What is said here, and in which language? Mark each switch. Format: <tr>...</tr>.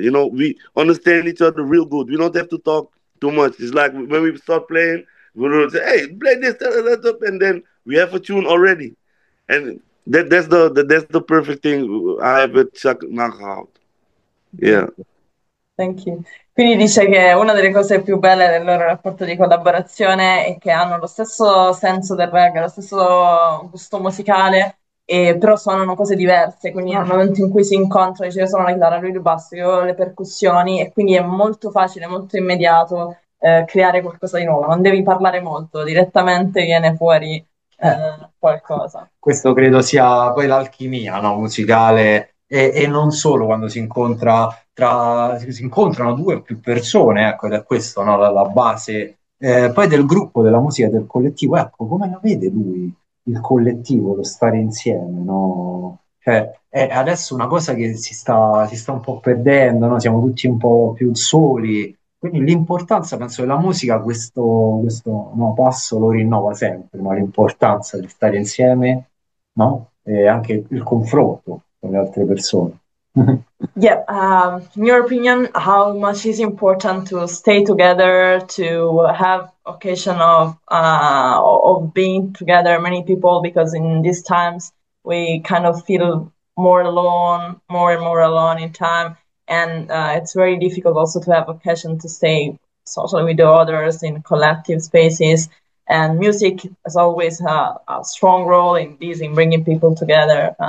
<en>You know, we understand each other real good. We don't have to talk too much. It's like when we start playing, we'll say, "Hey, play this, turn that up," and then we have a tune already. And that's the perfect thing I have with Chuck Knockout. Yeah. Thank you.</en> <it>Quindi dice che una delle cose più belle del loro rapporto di collaborazione è che hanno lo stesso senso del reggae, lo stesso gusto musicale, però suonano cose diverse. Quindi nel momento in cui si incontrano, dice, io suono la chitarra, lui il basso, io le percussioni, e quindi è molto facile, molto immediato creare qualcosa di nuovo. Non devi parlare molto, direttamente viene fuori qualcosa. Questo credo sia poi l'alchimia, no? Musicale e non solo quando si incontrano due o più persone, ecco, ed è questo, no? La base poi del gruppo, della musica, del collettivo, ecco, come lo vede lui il collettivo, lo stare insieme, no? Cioè, è adesso una cosa che si sta un po' perdendo, no? Siamo tutti un po' più soli, quindi l'importanza, penso, della musica, questo no, passo lo rinnova sempre, no? L'importanza di stare insieme. No? E anche il confronto con le altre persone.</it> <en>Yeah, in your opinion, how much is important to stay together, to have occasion of being together, many people, because in these times we kind of feel more alone, more and more alone in time, and it's very difficult also to have occasion to stay socially with the others in collective spaces, and music has always a strong role in this, in bringing people together.</en>